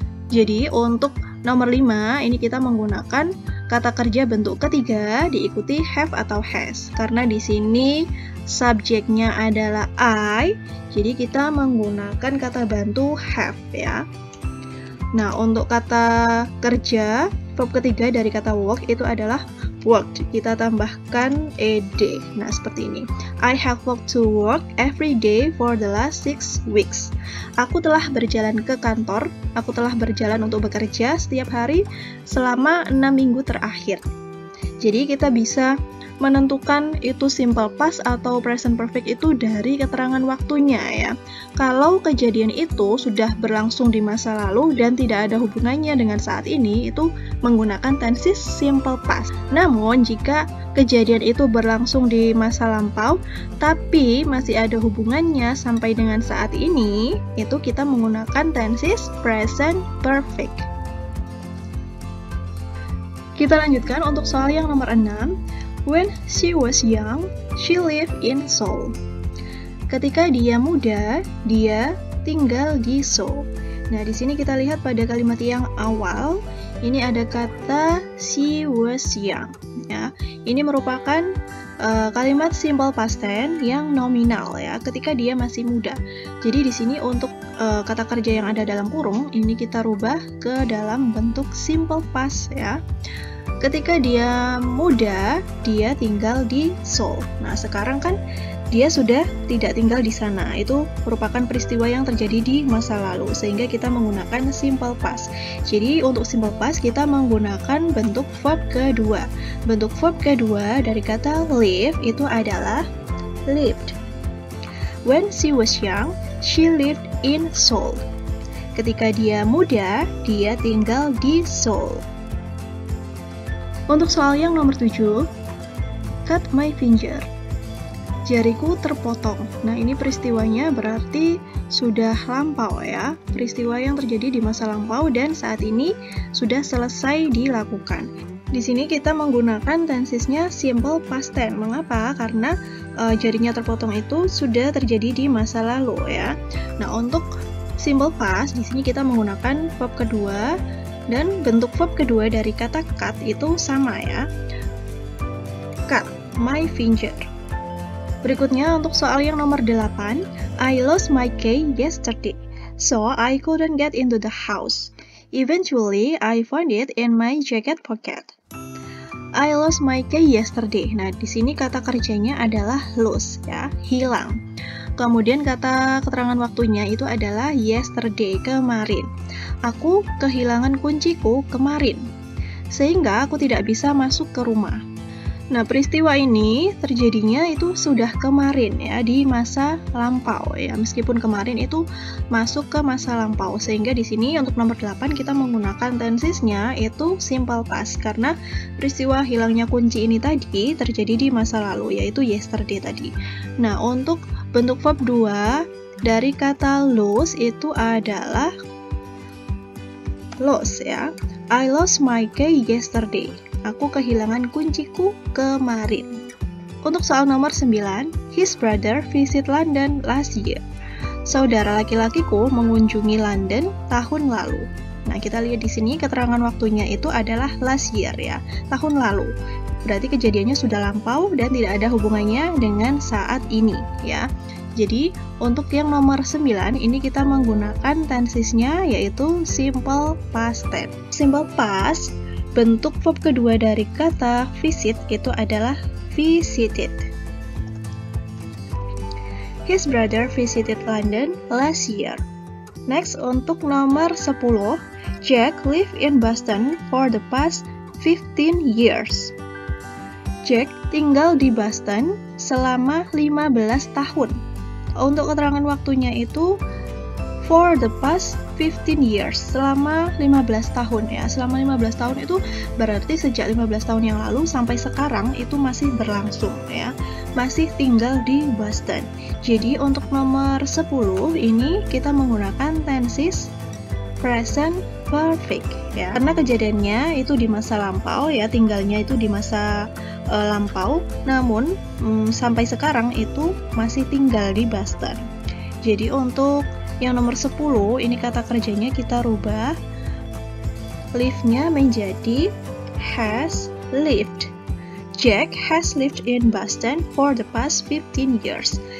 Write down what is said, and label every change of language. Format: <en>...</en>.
<id>Jadi, untuk nomor 5 ini kita menggunakan kata kerja bentuk ketiga diikuti have atau has. Karena di sini subjeknya adalah I, jadi kita menggunakan kata bantu have ya. Nah, untuk kata kerja verb ketiga dari kata work itu adalah worked. Kita tambahkan ed. Nah, seperti ini.</id> <en>I have walked to work every day for the last 6 weeks.</en> <id>Aku telah berjalan ke kantor. Aku telah berjalan untuk bekerja setiap hari selama 6 minggu terakhir. Jadi, kita bisa menentukan itu simple past atau present perfect itu dari keterangan waktunya ya. Kalau kejadian itu sudah berlangsung di masa lalu dan tidak ada hubungannya dengan saat ini, itu menggunakan tenses simple past. Namun jika kejadian itu berlangsung di masa lampau tapi masih ada hubungannya sampai dengan saat ini, itu kita menggunakan tenses present perfect. Kita lanjutkan untuk soal yang nomor 6.</id> <en>When she was young, she lived in Seoul.</en> <id>Ketika dia muda, dia tinggal di Seoul. Nah, di sini kita lihat pada kalimat yang awal, ini ada kata</id> <en>she was young.</en> <id>Ya, ini merupakan kalimat simple past tense yang nominal ya, ketika dia masih muda. Jadi di sini untuk kata kerja yang ada dalam kurung, ini kita rubah ke dalam bentuk simple past ya. Ketika dia muda, dia tinggal di Seoul. Nah, sekarang kan dia sudah tidak tinggal di sana. Itu merupakan peristiwa yang terjadi di masa lalu, sehingga kita menggunakan simple past. Jadi, untuk simple past, kita menggunakan bentuk verb kedua. Bentuk verb kedua dari kata live itu adalah lived.</id> <en>When she was young, she lived in Seoul.</en> <id>Ketika dia muda, dia tinggal di Seoul. Untuk soal yang nomor 7,</id> <en>cut my finger.</en> <id>Jariku terpotong. Nah, ini peristiwanya berarti sudah lampau ya. Peristiwa yang terjadi di masa lampau dan saat ini sudah selesai dilakukan. Di sini kita menggunakan tensesnya simple past tense. Mengapa? Karena jarinya terpotong itu sudah terjadi di masa lalu ya. Nah, untuk simple past di sini kita menggunakan verb kedua. Dan bentuk verb kedua dari kata cut itu sama ya.</id> <en>Cut my finger.</en> <id>Berikutnya untuk soal yang nomor 8,</id> <en>I lost my key yesterday, so I couldn't get into the house. Eventually, I found it in my jacket pocket. I lost my key yesterday.</en> <id>Nah, di sini kata kerjanya adalah lose ya, hilang. Kemudian kata keterangan waktunya itu adalah yesterday, kemarin. Aku kehilangan kunciku kemarin, sehingga aku tidak bisa masuk ke rumah. Nah, peristiwa ini terjadinya itu sudah kemarin ya, di masa lampau ya. Meskipun kemarin itu masuk ke masa lampau, sehingga di sini untuk nomor 8 kita menggunakan tensesnya itu simple past. Karena peristiwa hilangnya kunci ini tadi terjadi di masa lalu, yaitu yesterday tadi. Nah, untuk bentuk verb 2 dari kata lose itu adalah lost ya.</id> <en>I lost my key yesterday.</en> <id>Aku kehilangan kunciku kemarin. Untuk soal nomor 9,</id> <en>his brother visit London last year.</en> <id>Saudara laki-lakiku mengunjungi London tahun lalu. Nah, kita lihat di sini keterangan waktunya itu adalah</id> <en>last year</en> <id>ya, tahun lalu. Berarti kejadiannya sudah lampau dan tidak ada hubungannya dengan saat ini ya. Jadi, untuk yang nomor 9, ini kita menggunakan tensesnya yaitu simple past tense. Simple past, bentuk verb kedua dari kata visit itu adalah visited.</id> <en>His brother visited London last year. Next,</en> <id>untuk nomor 10,</id> <en>Jack lived in Boston for the past 15 years.</en> <id>Jack tinggal di Boston selama 15 tahun. Untuk keterangan waktunya itu,</id> <en>for the past 15 years,</en> <id>selama 15 tahun ya. Selama 15 tahun itu berarti sejak 15 tahun yang lalu sampai sekarang itu masih berlangsung ya. Masih tinggal di Boston. Jadi untuk nomor 10 ini kita menggunakan tenses present perfect ya. Karena kejadiannya itu di masa lampau ya, tinggalnya itu di masa lampau, namun sampai sekarang itu masih tinggal di Boston. Jadi untuk yang nomor 10 ini kata kerjanya kita rubah live-nya menjadi</id> <en>has lived. Jack has lived in Boston for the past 15 years.</en>